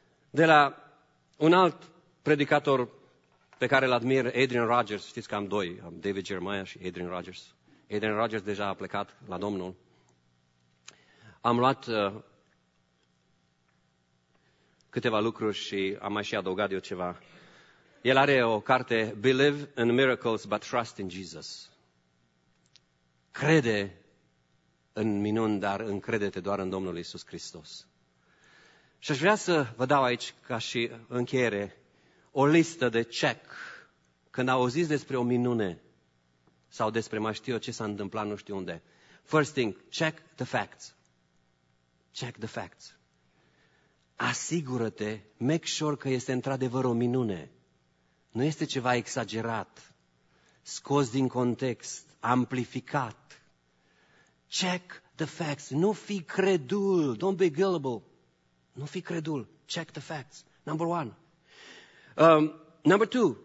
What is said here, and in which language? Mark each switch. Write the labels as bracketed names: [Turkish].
[Romanian] De la un alt predicator pe care îl admir, Adrian Rogers, știți că am doi, am David Jeremiah și Adrian Rogers. Adrian Rogers deja a plecat la Domnul. Am luat câteva lucruri și am mai și adăugat eu ceva. El are o carte, Believe in Miracles, but Trust in Jesus. Crede în minuni, dar încrede-te doar în Domnul Iisus Hristos. Și aș vrea să vă dau aici, ca și încheiere, o listă de check. Când auziți despre o minune sau despre mai știu ce s-a întâmplat, nu știu unde. [English] First thing, check the facts. Check the facts. [Romanian] Asigură-te, [English] make sure [Romanian] că este într-adevăr o minune. Nu este ceva exagerat, scos din context, amplificat. [English] Check the facts. [Romanian] Nu fi credul. [English] Don't be gullible. Nu fi credul. Check the facts. Number one. Number two.